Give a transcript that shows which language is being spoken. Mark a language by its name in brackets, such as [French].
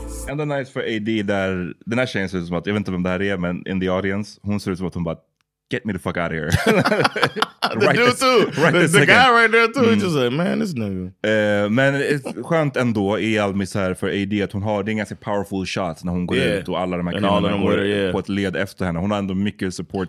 [Swedish] Ändå nice för AD där, den här tjejen ser ut som att, jag vet inte vem det här är, men [English] in the audience, [Swedish] hon ser ut som att hon bara, [English] get me the fuck out of here. the dude too, the guy right there too, he just like, man, this nigga. [Swedish] Men skönt ändå i all misär för AD att hon har, det är en ganska powerful shot när hon går ut och alla de här kvinnorna går på ett led efter henne. Hon har ändå mycket support.